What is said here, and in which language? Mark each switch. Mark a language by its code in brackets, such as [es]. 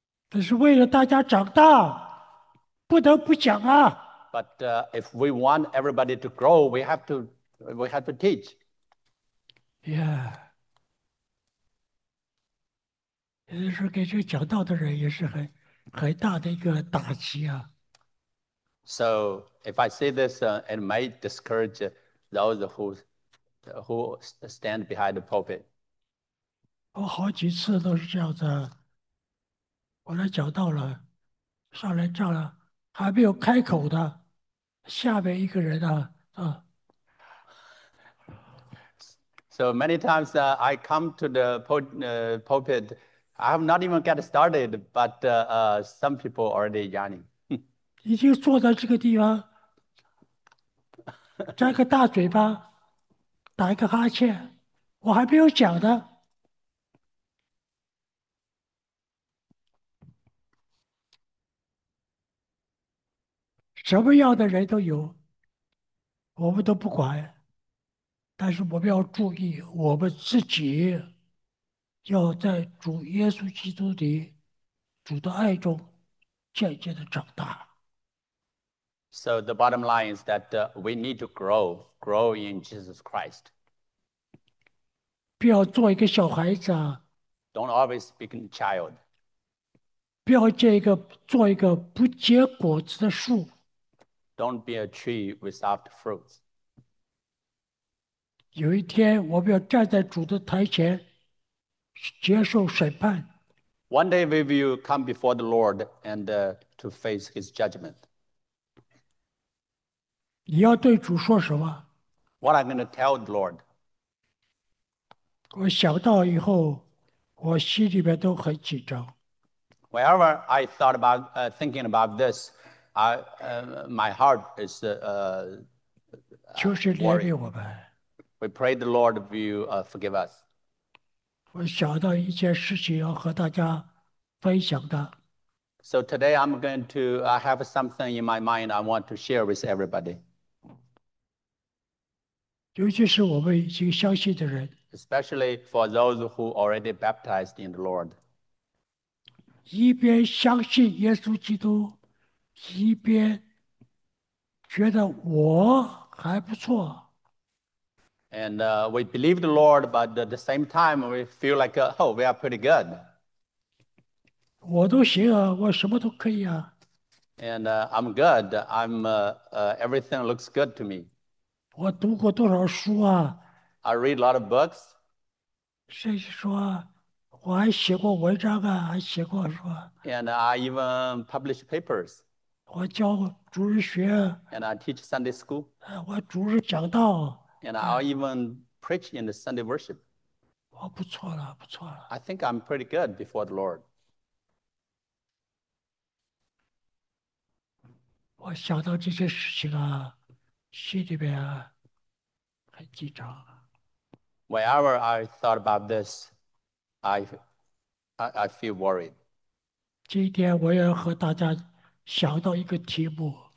[zh] 这是为了大家长大，不得不讲啊。 [en] But if we want everybody to grow, we have to teach. [zh] Yeah，有的时候给这个讲道的人也是很大的一个打击啊。 [en] So if I say this, it might discourage those who stand behind the pulpit. [zh] 我好几次都是这样子。我来讲到了，上来站了，还没有开口的，下面一个人呢， [en] So many times I come to the pulpit. I have not even got started, but some people already yawning. [zh] 已经坐在这个地方，张个大嘴巴，打一个哈欠，我还没有讲的。什么样的人都有，我们都不管，但是我们要注意，我们自己要在主耶稣基督里、主的爱中渐渐的长大。 [en] So the bottom line is that we need to grow in Jesus Christ. [zh] 不要做一个小孩子啊， [en] Don't always be a child. [zh] 不要做一个不结果子的树。 [en] Don't be a tree without fruits. [zh] 有一天，我们要站在主的台前，接受审判。 [en] One day we will come before the Lord and to face his judgment. [zh] 你要对主说什么？ [en] What I'm going to tell the Lord. [zh] 我想到以后，我心里面都很紧张。 [en] Whenever I thought about thinking about this, my heart is [zh] 求神怜 [en] worried. [zh] 悯我们。 [en] We pray the Lord will forgive us. [zh] 我想到一件事情要和大家分享的， [en] So today I have something in my mind I want to share with everybody. [zh] 尤其是我们已经相信的人， [en] Especially for those who already baptized in the Lord. [zh] 一边相信耶稣基督，一边觉得我还不错。 [en] And we believe the Lord, but at the same time, we feel like, oh, we are pretty good. [zh] 我都行啊，我什么都可以啊。 [en] And I'm good. Everything looks good to me. [zh] 我读过多少书啊？ [en] I read a lot of books. [zh] 甚至说，我还写过文章啊，还写过说， [en] And I even publish papers. [zh] 我教主日学， [en] And I teach Sunday school. [zh] 我主日讲道， [en] And I even preach in the Sunday worship. [zh] 我不错了，不错了。 [en] I think I'm pretty good before the Lord. [zh] 我想到这些事情啊，心里边很紧张。 [en] Whenever I thought about this, I feel worried. [zh] 今天我要和大家想到一个题目，